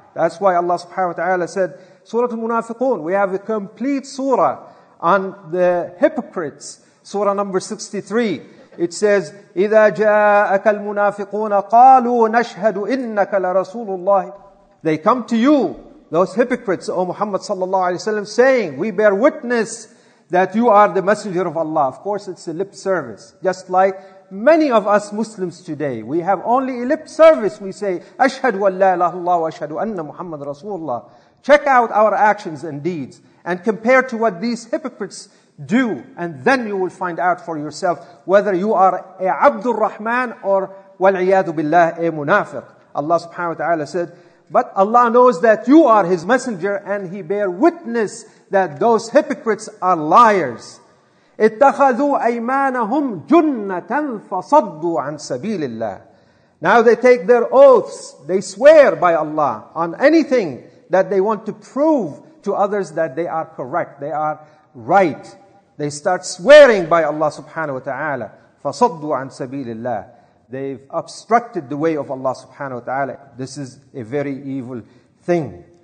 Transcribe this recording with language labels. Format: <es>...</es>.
<en>That's why Allah subhanahu wa ta'ala said, Surah Al-Munafiqun, we have a complete surah on the hypocrites. Surah number 63. It says,</en> <ar>إِذَا جَاءَكَ الْمُنَافِقُونَ قَالُوا نَشْهَدُ إِنَّكَ لَرَسُولُ اللَّهِ.</ar> <en>They come to you, those hypocrites, O Muhammad sallallahu alayhi wa sallam, saying, we bear witness that you are the messenger of Allah. Of course, it's a lip service. Just like many of us Muslims today, we have only a lip service. We say,</en> <ar>أَشْهَدُ وَاللَّا إِلَهَ اللَّهُ وَأَشْهَدُ أَنَّ مُحَمَّدُ رَسُولُ اللَّهِ.</ar> <en>Check out our actions and deeds and compare to what these hypocrites do. And then you will find out for yourself whether you are a Abdul Rahman or</en> <ar>وَالْعِيَادُ بِاللَّهِ</ar> <en>a munafiq. Allah subhanahu wa ta'ala said, but Allah knows that you are His messenger and He bear witness that those hypocrites are liars.</en> <ar>اتخذوا أيمانهم جنة فصدوا عن سبيل الله.</ar> <en>Now they take their oaths, they swear by Allah on anything that they want to prove to others that they are correct, they are right. They start swearing by Allah subhanahu wa ta'ala.</en> <ar>فصدوا عن سبيل الله.</ar> <en>They've obstructed the way of Allah subhanahu wa ta'ala. This is a very evil thing.</en>